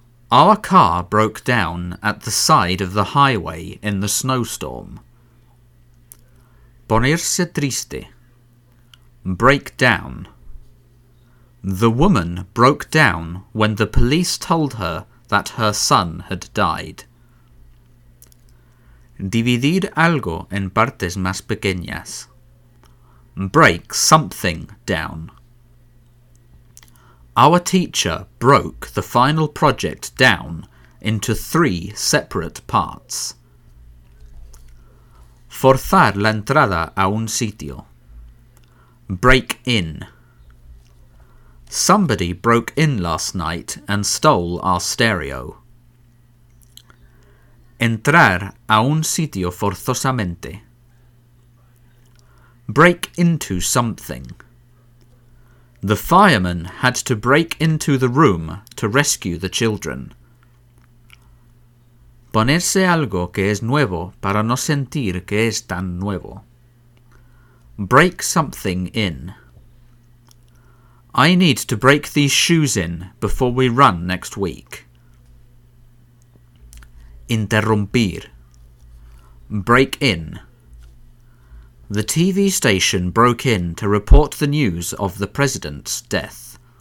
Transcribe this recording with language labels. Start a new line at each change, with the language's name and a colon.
English: Our car broke down at the side of the highway in the snowstorm.
Spanish: Ponerse triste.
English: Break down. The woman broke down when the police told her that her son had died.
Spanish: Dividir algo en partes más pequeñas.
English: Break something down. Our teacher broke the final project down into three separate parts.
Spanish: Forzar la entrada a un sitio.
English: Break in. Somebody broke in last night and stole our stereo.
Spanish: Entrar a un sitio forzosamente.
English: Break into something. The firemen had to break into the room to rescue the children.
Spanish: Ponerse algo que es nuevo para no sentir que es tan nuevo.
English: Break something in. I need to break these shoes in before we run next week.
Spanish: Interrumpir.
English: Break in. The TV station broke in to report the news of the president's death.